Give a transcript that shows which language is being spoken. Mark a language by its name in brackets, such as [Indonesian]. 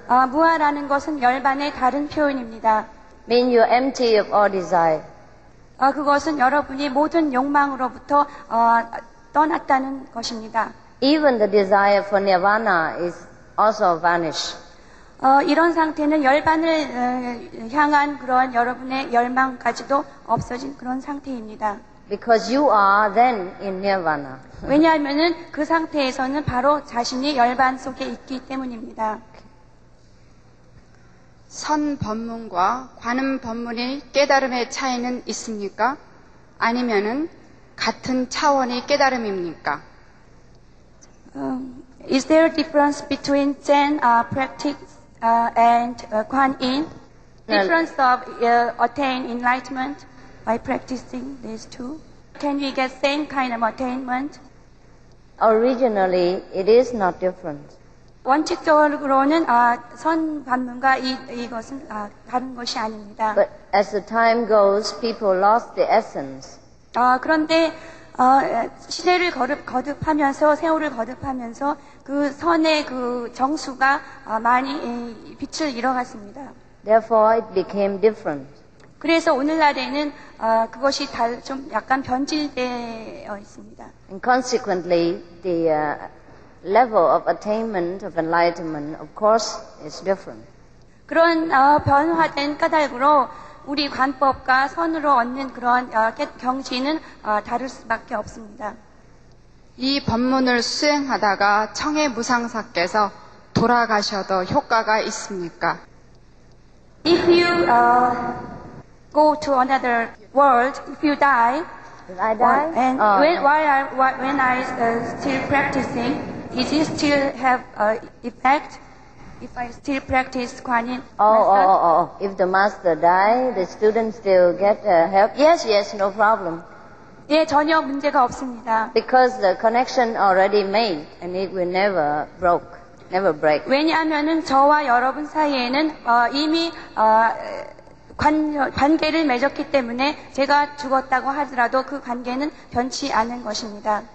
[Korean] 무아라는 것은 열반의 다른 표현입니다. [English] Mean you empty of all desire. [Korean] 그것은 여러분이 모든 욕망으로부터 떠났다는 것입니다. [English] Even the desire for nirvana is also vanished. [Korean] 이런 상태는 열반을 향한 그런 여러분의 열망까지도 없어진 그런 상태입니다. [English] Because you are then in nirvana. [Korean] 왜냐하면은 그 상태에서는 바로 자신이 열반 속에 있기 때문입니다. 선 법문과 관음 법문의 깨달음의 차이는 있습니까? 아니면은 같은 차원의 깨달음입니까? [English] Is there a difference between Zen practice and Kuan Yin? Difference of attain enlightenment by practicing these two? Can we get same kind of attainment? Originally, it is not different. [Korean] 원칙적으로는 선 반문과 이것은 다른 것이 아닙니다. [English] But as the time goes, people lost the essence. [Korean] 그런데 시대를 거듭하면서 세월을 거듭하면서 그 선의 그 정수가 많이 빛을 잃어갔습니다. [English] Therefore, it became different. [Korean] 그래서 오늘날에는 그것이 좀 약간 변질되어 있습니다. [English] And consequently, the level of attainment of enlightenment, of course, is different. [Korean] 그런 변화된 까닭으로. 우리 관법과 선으로 얻는 그런 경지는 다를 수밖에 없습니다. 이 법문을 수행하다가 청해 무상사께서 돌아가셔도 효과가 있습니까? [English] If you go to another world, if you die, I die? And when I still practicing, is it still have effect? If I still practice Kuan Yin? If the master die, the student still get help? Yes, yes, no problem. [Korean] 예, 전혀 문제가 없습니다. [English] Because the connection already made and it will never broke, never break. [Korean] 왜냐하면은 저와 여러분 사이에는 이미 관계를 맺었기 때문에 제가 죽었다고 하더라도 그 관계는 변치 않은 것입니다.